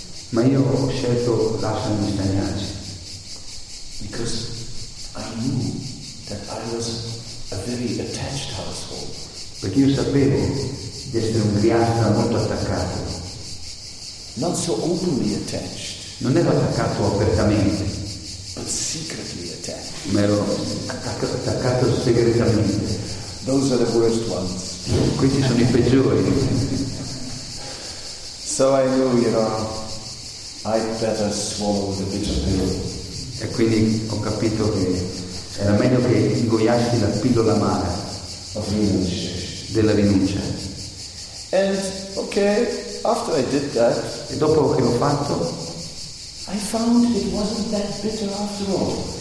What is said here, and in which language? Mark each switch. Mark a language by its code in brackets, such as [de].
[it] Ma io ho scelto l'ashram di Sannyasi. [en] Because I knew that I was a very attached household. [it] Perché io sapevo di essere un griasta molto attaccato. [en] Not so openly attached. [it] Non ero attaccato apertamente. [en] But secretly attached. [it] Ma ero attaccato segretamente. [en] Those are the worst ones. [it] Questi sono i peggiori. [en] So I knew, you know, I'd better swallow the bitter pill. [it] E quindi ho capito che era meglio che ingoiassi la pillola amara. Of rinuncia. Della rinuncia. [en] And okay, after I did that, [it] e dopo che l'ho fatto, [en] I found it wasn't that bitter after all.